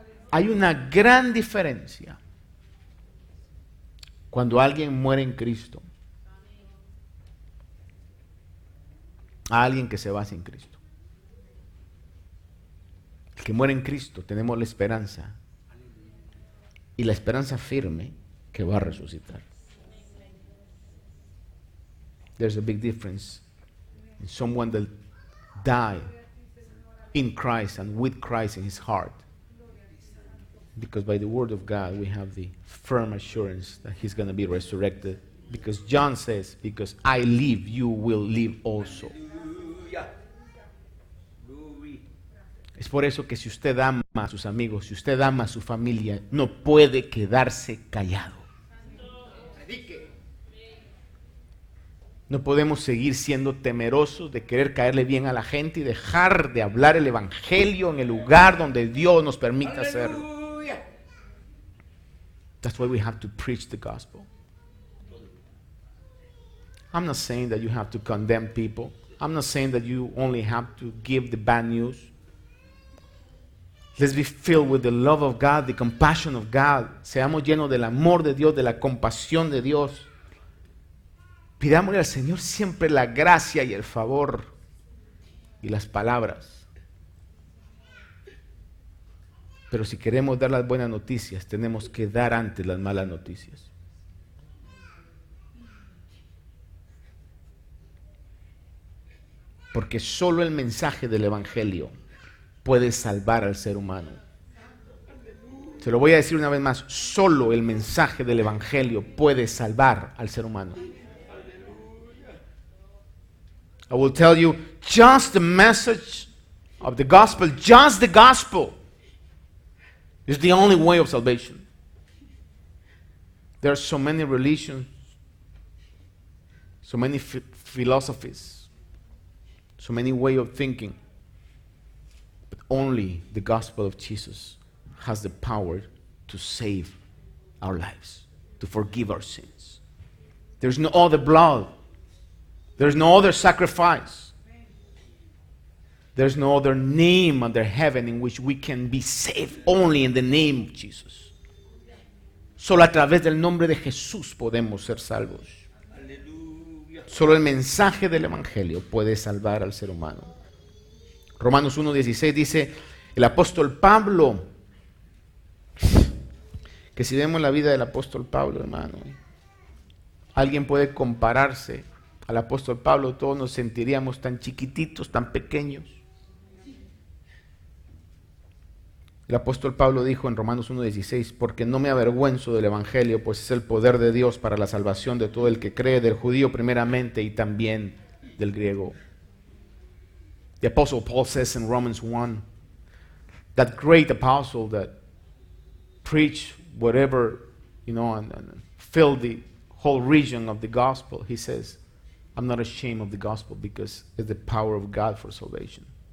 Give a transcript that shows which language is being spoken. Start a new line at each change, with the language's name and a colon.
Spanish: Hay una gran diferencia cuando alguien muere en Cristo a alguien que se va sin Cristo. El que muere en Cristo, tenemos la esperanza y la esperanza firme que va a resucitar.
English: There's a big difference in someone that died in Christ and with Christ in his heart. Because by the word of God, we have the firm assurance that he's going to be resurrected. Because John says, because I live, you will live also.
Spanish: Es por eso que si usted ama a sus amigos, si usted ama a su familia, no puede quedarse callado. No podemos seguir siendo temerosos de querer caerle bien a la gente y dejar de hablar el evangelio en el lugar donde Dios nos permita hacerlo.
English: That's why we have to preach the gospel. I'm not saying that you have to condemn people. I'm not saying that you only have to give the bad news. Let's be filled with the love of God, the compassion of God.
Spanish: Seamos llenos del amor de Dios, de la compasión de Dios. Pidámosle al Señor siempre la gracia y el favor y las palabras. Pero si queremos dar las buenas noticias, tenemos que dar antes las malas noticias. Porque solo el mensaje del Evangelio puede salvar al ser humano. Se lo voy a decir una vez más, solo el mensaje del Evangelio puede salvar al ser humano.
English: I will tell you, just the message of the gospel, just the gospel is the only way of salvation. There are so many religions, so many philosophies, so many ways of thinking, but only the gospel of Jesus has the power to save our lives, to forgive our sins. There's no other blood. There's no other sacrifice. There's no other name under heaven in which we can be saved, only in the name of Jesus.
Spanish: Solo a través del nombre de Jesús podemos ser salvos. Solo el mensaje del Evangelio puede salvar al ser humano. Romanos 1:16 dice el apóstol Pablo, que si vemos la vida del apóstol Pablo, hermano, alguien puede compararse al apóstol Pablo, todos nos sentiríamos tan chiquititos, tan pequeños. El apóstol Pablo dijo en Romanos 1:16, porque no me avergüenzo del Evangelio, pues es el poder de Dios para la salvación de todo el que cree, del judío primeramente y también del griego.
English: The apostle Paul says in Romans 1, that great apostle that preached whatever, you know, and filled the whole region of the gospel, he says, I'm not ashamed of the gospel because it's the power of God for salvation.